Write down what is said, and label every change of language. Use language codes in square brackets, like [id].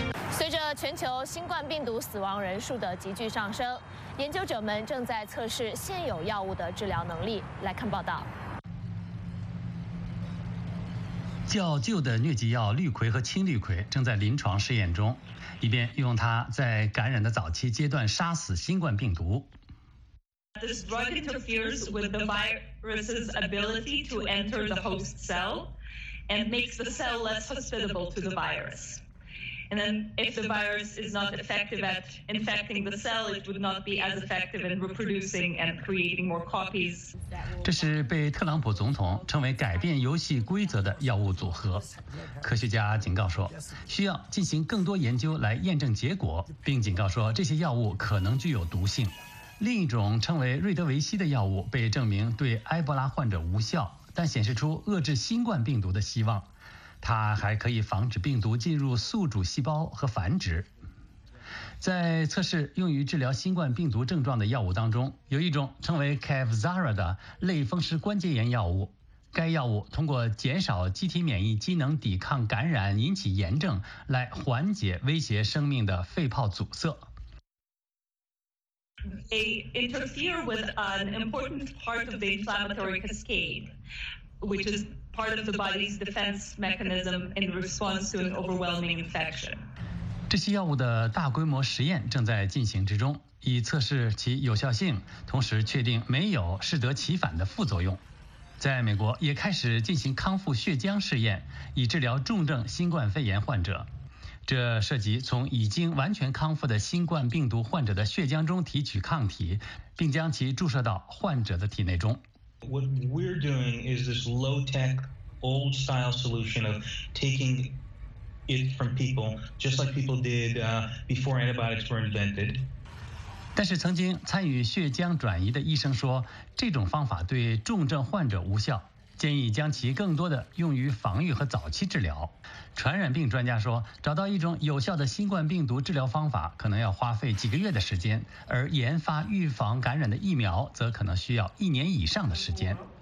[zh] 随着全球新冠病毒死亡人数的急剧上升，研究者们正在测试现有药物的治疗能力。来看报道。较旧的疟疾药氯喹和氢氯喹正在临床试验中，以便用它在感染的早期阶段杀死新冠病毒。 [en] This drug interferes with the virus's ability to enter the host cell and makes the cell less hospitable to the virus. And then if the virus is not effective at infecting the cell, it would not be as effective in reproducing and creating more copies. [zh] 这是被特朗普总统称为改变游戏规则的药物组合。科学家警告说，需要进行更多研究来验证结果，并警告说这些药物可能具有毒性。另一种称为瑞德维西的药物被证明对埃博拉患者无效，但显示出遏制新冠病毒的希望。它还可以防止病毒进入宿主细胞和繁殖。在测试用于治疗新冠病毒症状的药物当中，有一种称为 Kevzara 的类风湿关节炎药物。该药物通过减少机体免疫机能抵抗感染引起炎症来缓解威胁生命的肺泡阻塞。 [en] They interfere with an important part of the inflammatory cascade, which is part of the body's defense mechanism in response to an overwhelming infection. [zh] 这些药物的大规模实验正在进行之中，以测试其有效性，同时确定没有适得其反的副作用。在美国也开始进行康复血浆试验，以治疗重症新冠肺炎患者。这涉及从已经完全康复的新冠病毒患者的血浆中提取抗体，并将其注射到患者的体内中。 [en] What we're doing is this low-tech, old-style solution of taking it from people, just like people did before antibiotics were invented. [zh] 但是曾经参与血浆转移的医生说，这种方法对重症患者无效，建议将其更多的用于防御和早期治疗。传染病专家说，找到一种有效的新冠病毒治疗方法可能要花费几个月的时间，而研发预防感染的疫苗则可能需要一年以上的时间。